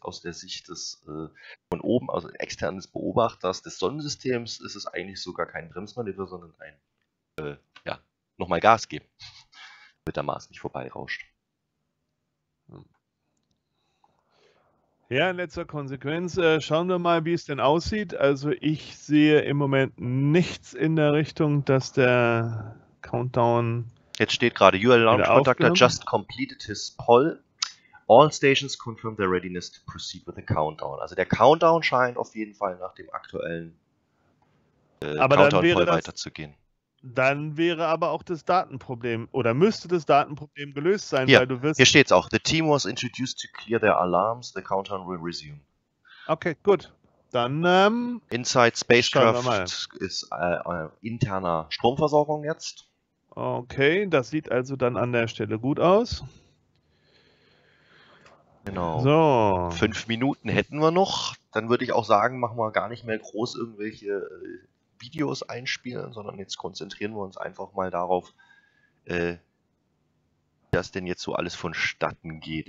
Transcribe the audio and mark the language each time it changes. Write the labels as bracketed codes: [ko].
[de] Aus der Sicht des von oben, also externes Beobachters des Sonnensystems, ist es eigentlich sogar kein Bremsmanöver, sondern ein nochmal Gas geben, damit der Mars nicht vorbeirauscht. Ja, in letzter Konsequenz schauen wir mal, wie es denn aussieht. Also ich sehe im Moment nichts in der Richtung, dass der Countdown... Jetzt steht gerade, [en] UL Launch Conductor just completed his poll. All stations confirm their readiness to proceed with the countdown. [de] Also der Countdown scheint auf jeden Fall nach dem aktuellen Countdown-Poll weiterzugehen. Dann wäre aber auch das Datenproblem oder müsste das Datenproblem gelöst sein, weil du wirst. Hier steht's auch. [en] The team was introduced to clear their alarms. The countdown will resume. [de] Okay, gut. Dann. [en] Inside Spacecraft [de] ist interner Stromversorgung jetzt. Okay, das sieht also dann an der Stelle gut aus. Genau. So. 5 Minuten hätten wir noch. Dann würde ich auch sagen, machen wir gar nicht mehr groß irgendwelche Videos einspielen, sondern jetzt konzentrieren wir uns einfach mal darauf, wie das denn jetzt so alles vonstatten geht.